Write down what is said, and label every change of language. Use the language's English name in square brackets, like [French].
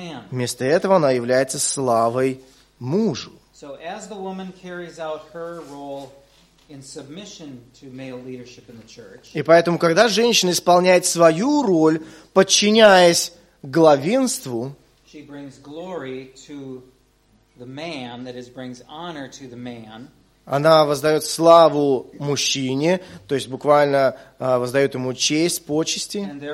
[Russian] Вместо этого она является славой мужу. [English] So as the woman carries out her role in submission to male leadership in the church. [Russian] И поэтому, когда женщина исполняет свою роль, подчиняясь главенству, [English] she brings glory to the man, that is, brings honor to the man. [Russian] Она воздает славу мужчине, то есть буквально воздает ему честь, почести.